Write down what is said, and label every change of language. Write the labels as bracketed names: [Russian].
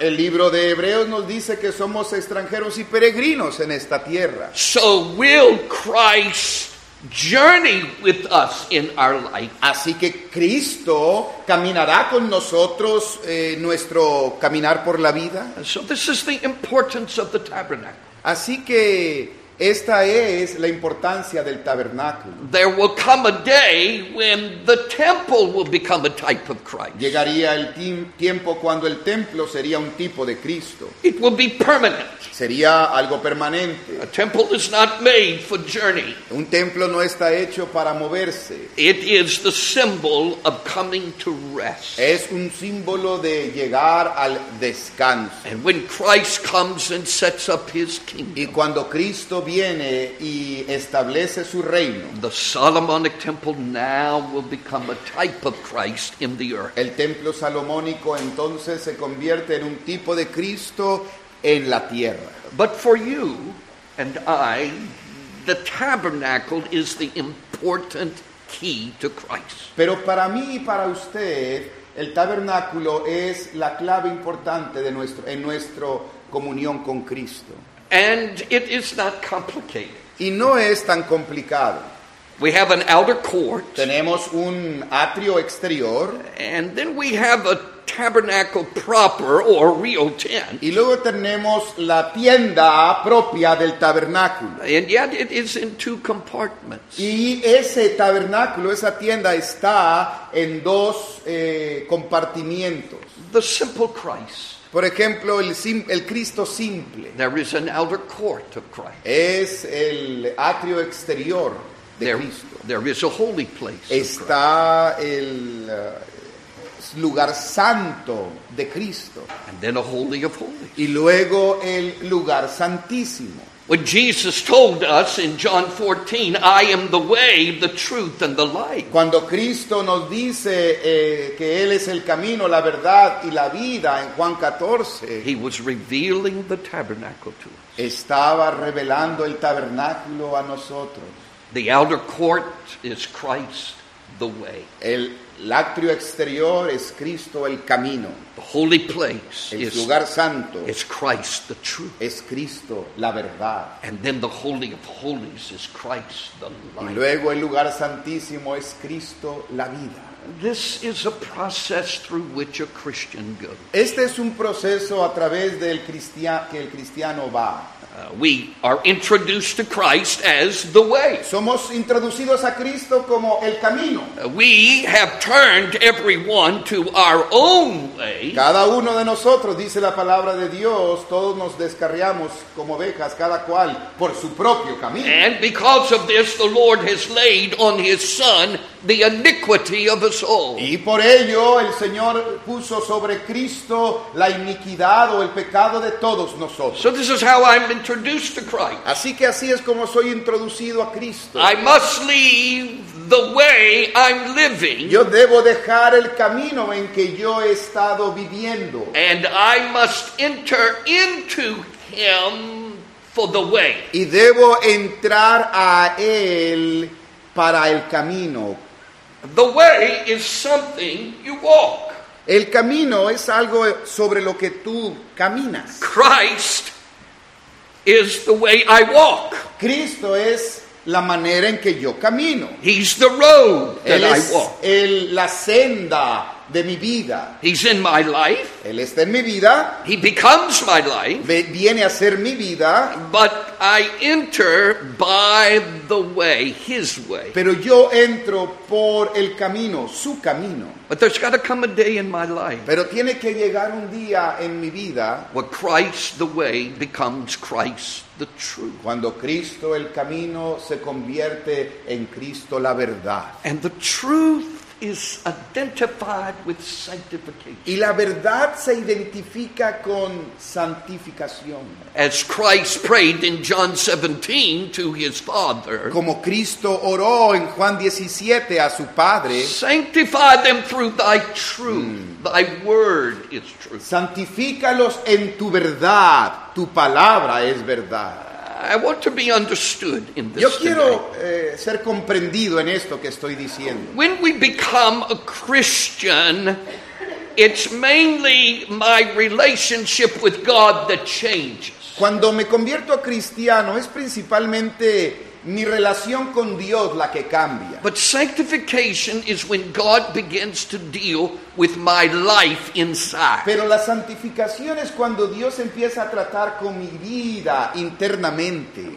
[Spanish] El libro de Hebreos nos dice que somos extranjeros y peregrinos en esta tierra. [English] So will Christ journey with us in our life. [Spanish] Así que Cristo caminará con nosotros nuestro caminar por la vida. [English] So this is the importance of the tabernacle. [Spanish] Así que esta es la importancia del tabernáculo. [English] There will come a day when the temple will become a type of Christ. [Spanish] Llegaría el tiempo cuando el templo sería un tipo de Cristo. [English] It will be permanent. [Spanish] Sería algo permanente. [English] A temple is not made for journey. [Spanish] Un templo no está hecho para moverse. [English] It is the symbol of coming to rest. [Spanish] Es un símbolo de llegar al descanso. [English] And when Christ comes and sets up his kingdom. [Spanish] Y cuando Cristo viene y establece su reino. [English] The Solomonic Temple now will become a type of Christ in the earth. [Spanish] El templo salomónico entonces se convierte en un tipo de Cristo en la tierra. [English] But for you and I, the tabernacle is the important key to Christ. [Spanish] Pero para mí y para usted, el tabernáculo es la clave importante de nuestro en nuestro comunión con Cristo. [English] And it is not complicated. [Spanish] Y no es tan complicado. [English] We have an outer court. [Spanish] Tenemos un atrio exterior. [English] And then we have a tabernacle proper or real tent. [Spanish] Y luego tenemos la tienda propia del tabernáculo. [English] And yet it is in two compartments. [Spanish] Y ese tabernáculo, esa tienda está en dos compartimientos. [English] The simple Christ. [Spanish] Por ejemplo, el Cristo simple. [English] There is an outer court of Christ. [Spanish] Es el atrio exterior de [English] there, [Spanish] Cristo. [English] There is a holy place. [Spanish] Está [English] of Christ. [Spanish] El lugar santo de Cristo. [English] And then a holy of holies. [Spanish] Y luego el lugar santísimo. [English] When Jesus told us in John 14, I am the way, the truth, and the life. [Spanish] Cuando Cristo nos dice que Él es el camino, la verdad, y la vida en Juan 14. [English] He was revealing the tabernacle to us. [Spanish] Estaba revelando el tabernáculo a nosotros. [English] The outer court is Christ, the way. [Spanish] El atrio exterior es Cristo, el camino. [English] The holy place [Spanish] el lugar santo [English] is Christ, the truth. [Spanish] Es Cristo, la verdad. [English] And then the holy of holies is Christ, the life. [Spanish] Y luego el lugar santísimo es Cristo, la vida. [English] This is a process through which a Christian goes. [Spanish] Este es un proceso a través del que el cristiano va. [English] We are introduced to Christ as the way. [Spanish] Somos introducidos a Cristo como el camino. [English] We have turned everyone to our own way. [Spanish] Cada uno de nosotros, dice la palabra de Dios, todos nos descarriamos como ovejas, cada cual por su propio camino. [English] And because of this, the Lord has laid on His Son the iniquity of us all. [Spanish] Y por ello, el Señor puso sobre Cristo la iniquidad o el pecado de todos nosotros. [English] So this is how I'm introduced to Christ. [Spanish] Así que así es como soy introducido a Cristo. [English] I must leave the way I'm living. [Spanish] Yo debo dejar el camino en que yo he estado viviendo. [English] And I must enter into Him for the way. [Spanish] Y debo entrar a Él para el camino. [English] The way is something you walk. [Spanish] El camino es algo sobre lo que tú caminas. [English] Christ is the way I walk. [Spanish] Cristo es la manera en que yo camino. [English] He's the road that [Spanish] Él es [English] I walk. [Spanish] La senda de mi vida. [English] He's in my life. [Spanish] Él está en mi vida. [English] He becomes my life. [Spanish] Viene a ser mi vida. [English] But I enter by the way, His way. [Spanish] Pero yo entro por el camino, su camino. [English] But there's got to come a day in my life. [Spanish] Pero tiene que llegar un día en mi vida. [English] Where Christ the way becomes Christ the truth. [Spanish] Cuando Cristo el camino se convierte en Cristo la verdad. [English] And the truth is identified with sanctification. [Spanish] Y la verdad se identifica con santificación. [English] As Christ prayed in John 17 to His Father. [Spanish] Como Cristo oró en Juan 17 a su Padre. [English] Sanctify them through Thy truth. Thy word is truth. [Spanish] Santifícalos en tu verdad. Tu palabra es verdad. [English] I want to be understood in this. [Spanish] Yo quiero ser comprendido en esto que estoy diciendo. [English] When we become a Christian, it's mainly my relationship with God that changes. [Spanish] Cuando me convierto a cristiano, es principalmente mi relación con Dios la que cambia. [English] But sanctification is when God begins to deal with my life inside. [Spanish] Pero la santificación es cuando Dios empieza a tratar con mi vida internamente.